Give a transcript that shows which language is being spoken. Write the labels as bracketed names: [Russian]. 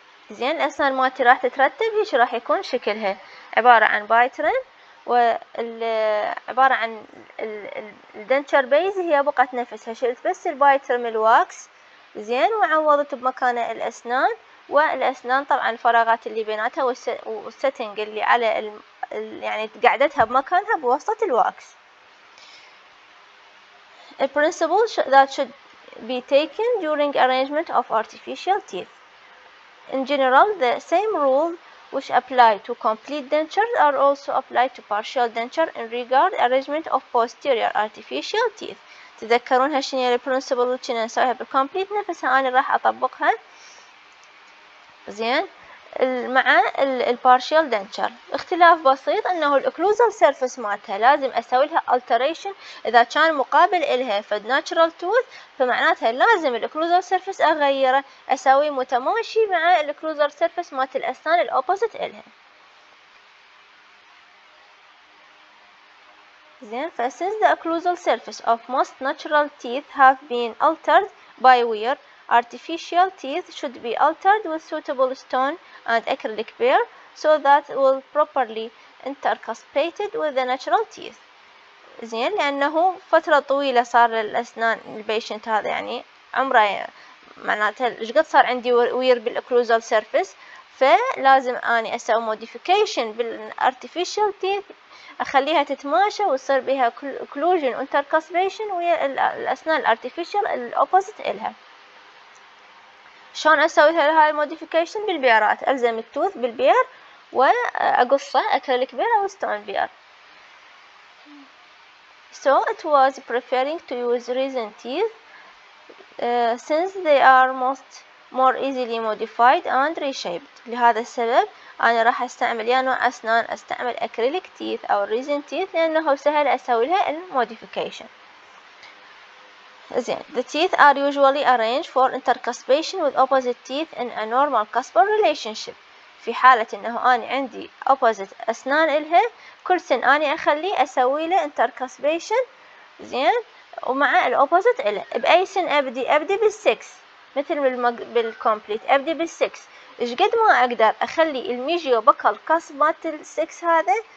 [Arabic] زين الاسنان مالتي راح تترتب، هيش راح يكون شكلها، عباره عن بايترم وعبارة عن الدنتشر بيز هي بقت نفسها، شلت بس البايترم الواكس. زين وعوضت بمكانه الاسنان، والاسنان طبعا الفراغات اللي بيناتها والستنج اللي على يعني قعدتها بمكانها بواسطة الواكس. [English] A principle that should be taken during arrangement of artificial teeth. In general, the same rule which apply to complete dentures are also applied to partial denture in regard arrangement of posterior artificial teeth. [Arabic] تذكرون هالشيء اللي principle اللي كنا نسويها بالcomplete، نفسها أنا راح أطبقها زين مع ال partial denture. اختلاف بسيط انه ال occlusal surface مالتها لازم اسوي لها alteration اذا كان مقابل الها فد natural tooth، فمعناتها لازم ال occlusal surface اغيره اسوي متماشي مع ال occlusal surface مالت الاسنان ال opposite الها. [English] زين since the occlusal surface of most natural teeth have been altered by wear, artificial teeth should be altered with suitable stone and acrylic pair so that it will properly intercuspate with the natural teeth. [Arabic] زين لأنه فترة طويلة صار للأسنان البيشنت هذا يعني عمره معناته ايش قد صار عندي وير بالأكلوزال سيرفيس، فلازم أني أسوي موديفيكيشن بالارتفيشال تيث أخليها تتماشى وتصير بها أكلوجن وانتركسبيشن ويا الأسنان الارتفيشال الأوبوزيت إلها. شلون اسوي هاي الموديفيكيشن؟ بالبيارات، الزم التوث بالبير واقصه اكريليك بير او ستون بير. [English] So it was preferring to use resin teeth since they are most more easily modified and reshaped. [Arabic] لهذا السبب انا راح استعمل يا نوع اسنان استعمل اكريليك تيث او resin teeth لانه سهل اسوي لها الموديفيكيشن. [English] زين the teeth are usually arranged for intercuspation with opposite teeth in a normal cusper relationship. [Arabic] في حالة انه انا عندي opposite اسنان الها كل سن انا اخليه اسوي له intercuspation. زين ومع الopposite الها باي سن ابدي؟ ابدي بالسكس مثل بالكمبليت، ابدي بالسكس اش قد ما اقدر اخلي الميجيو بكال كسب مات السكس هذا.